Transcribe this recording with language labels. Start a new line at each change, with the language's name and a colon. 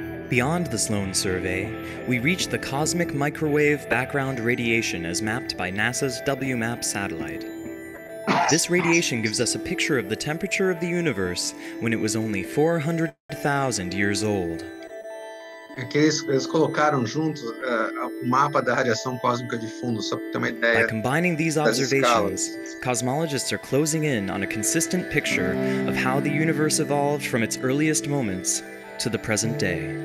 English: Beyond the Sloan Survey, we reach the cosmic microwave background radiation as mapped by NASA's WMAP satellite. This radiation gives us a picture of the temperature of the universe when it was only 400,000 years old.
Portuguese: Eles colocaram junto o mapa da radiação cósmica de fundo, só para ter uma ideia.
English: By combining these observations, cosmologists are closing in on a consistent picture of how the universe evolved from its earliest moments to the present day.